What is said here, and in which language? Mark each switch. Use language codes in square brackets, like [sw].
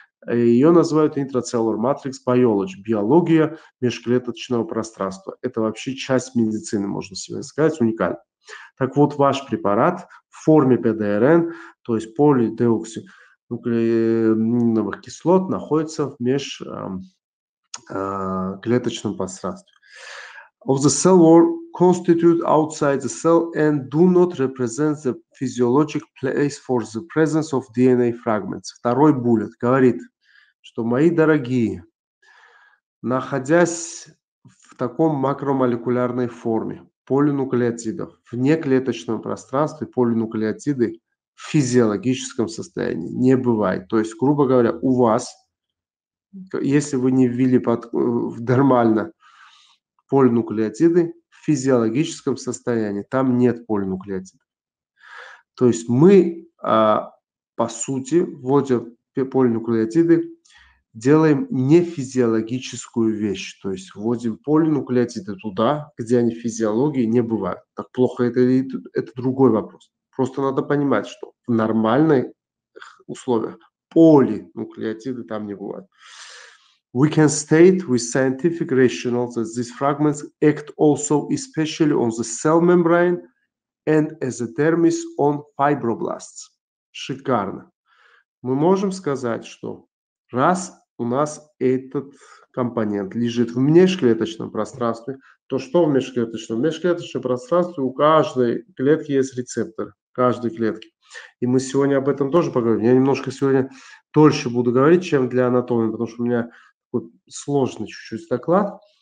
[ru] Ее называют [en] intracellular matrix biology, [ru] биология межклеточного пространства. Это вообще часть медицины, можно себе сказать, уникально. Так вот, ваш препарат в форме ПДРН, то есть полидеоксинуклеиновых кислот, находится в межклеточном пространстве. [en] Of the cell wall constitute outside the cell and do not represent the physiologic place for the presence of DNA fragments. [ru] Второй bullet говорит, что, мои дорогие, находясь в таком макромолекулярной форме полинуклеотидов в неклеточном пространстве, полинуклеотиды в физиологическом состоянии не бывает. То есть, грубо говоря, у вас, если вы не ввели в нормально полинуклеотиды, в физиологическом состоянии там нет полинуклеотидов. То есть мы, по сути, вводя полинуклеотиды, делаем нефизиологическую вещь. То есть вводим полинуклеотиды туда, где они в физиологии не бывают. Так плохо это или это другой вопрос. Просто надо понимать, что в нормальных условиях полинуклеотиды там не бывают. [en] We can state with scientific rationale that these fragments act also especially on the cell membrane and as a dermis on fibroblasts. [ru] Шикарно. Мы можем сказать, что раз у нас этот компонент лежит в межклеточном пространстве, то что в межклеточном? В межклеточном пространстве у каждой клетки есть рецептор, каждой клетки. И мы сегодня об этом тоже поговорим. Я немножко сегодня дольше буду говорить, чем для анатомии, потому что у меня сложный чуть-чуть доклад.